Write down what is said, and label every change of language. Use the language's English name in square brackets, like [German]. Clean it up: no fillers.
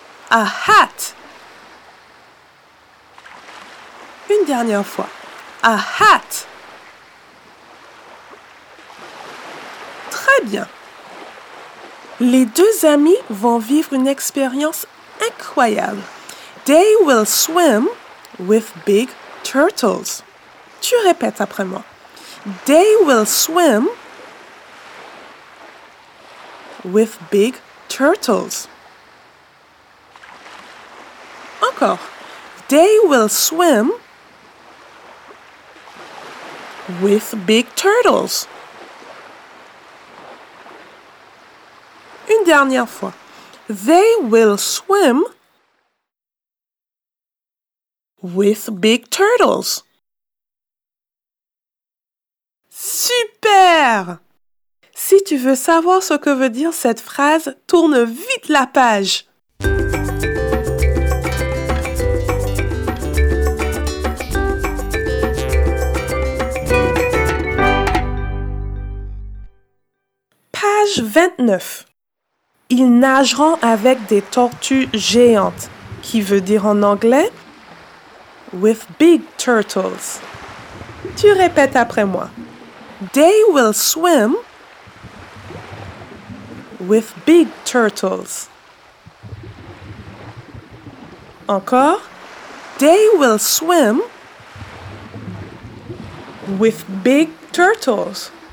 [English] A hat. [French] Une dernière fois. [English] A hat. [French] Très bien. Les deux amis vont vivre une expérience incroyable. [English] They will swim with big turtles. [French] Tu répètes après moi. [English] They will swim with big turtles. [French] Encore. [English] They will swim with big turtles. [French] Une dernière fois. [English] They will swim with big turtles. [French] Super! Si tu veux savoir ce que veut dire cette phrase, tourne vite la page. Page 29. Ils nageront avec des tortues géantes, qui veut dire en anglais [English] with big turtles. [French] Tu répètes après moi. [English] They will swim with big turtles. [French] Encore. [English] They will swim with big turtles.